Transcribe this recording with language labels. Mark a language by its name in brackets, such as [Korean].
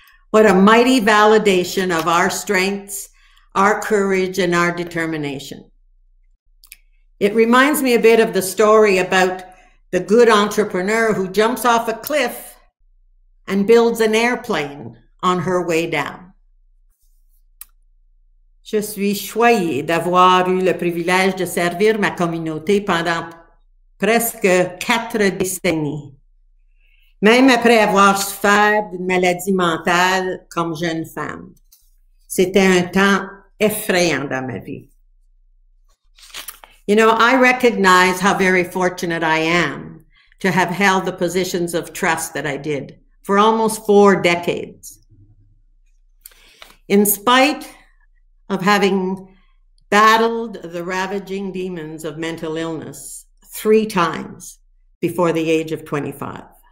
[English] What a mighty validation of our strengths, our courage, and our determination. It reminds me a bit of the story about the good entrepreneur who jumps off a cliff and builds an airplane on her way down. [French] Je suis choyée d'avoir eu le privilège de servir ma communauté pendant presque 4 décennies. Même après avoir souffert d'une maladie mentale comme jeune femme, c'était un temps effrayant dans ma vie. [English] You know, I recognize how very fortunate I am to have held the positions of trust that I did for almost 4 decades. In spite of having battled the ravaging demons of mental illness 3 times before the age of 25.